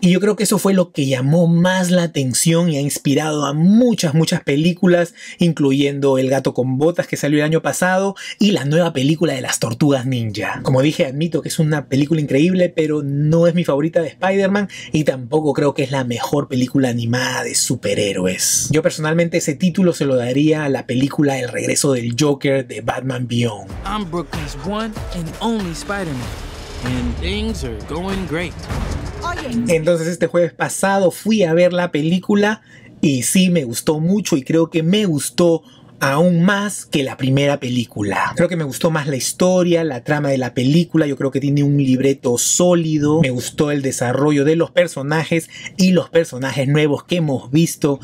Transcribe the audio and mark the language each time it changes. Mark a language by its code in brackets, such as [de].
[es] Y yo creo que eso fue lo que llamó más la atención y ha inspirado a muchas películas, incluyendo El Gato con Botas, que salió el año pasado, y la nueva película de las Tortugas Ninja. Como dije, admito que es una película increíble, pero no es mi favorita de Spider-Man y tampoco creo que es la mejor película animada de superhéroes. Yo personalmente ese título se lo daría a la película El Regreso del Joker de Batman Beyond. [en] I'm Brooklyn's one and only Spider-Man. And things are going great. [es] Entonces este jueves pasado fui a ver la película y sí, me gustó mucho y creo que me gustó aún más que la primera película. Creo que me gustó más la historia, la trama de la película. Yo creo que tiene un libreto sólido. Me gustó el desarrollo de los personajes y los personajes nuevos que hemos visto.